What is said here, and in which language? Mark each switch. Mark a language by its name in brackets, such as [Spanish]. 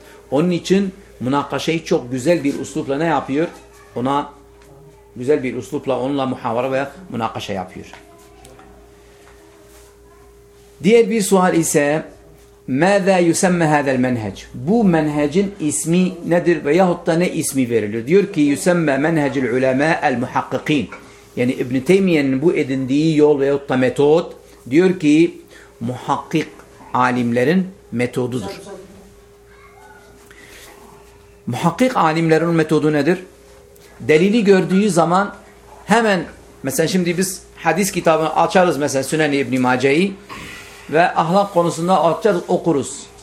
[Turkish] Onun için münakaşayı çok güzel bir üslupla ne yapıyor? Ona güzel bir üslupla onunla muhavara veya münakaşa yapıyor. Diğer bir sual ise [Arabic] ماذا يسمى هذا المنهج؟ [Turkish] Bu menhecin ismi nedir veyahut da ne ismi verilir? Diyor ki [Arabic] يسمى منهج العلماء المحققين. [Turkish] Yani İbn Teymiyye'nin bu edindiği yol veyahut da metot, diyor ki muhakkik alimlerin metodudur. Muhakkik alimlerin metodu nedir? Delili gördüğü zaman hemen, mesela şimdi biz hadis kitabını açarız, mesela Sünen-i İbn Mace'yi ve ahlak konusunda açacağız, okuruz.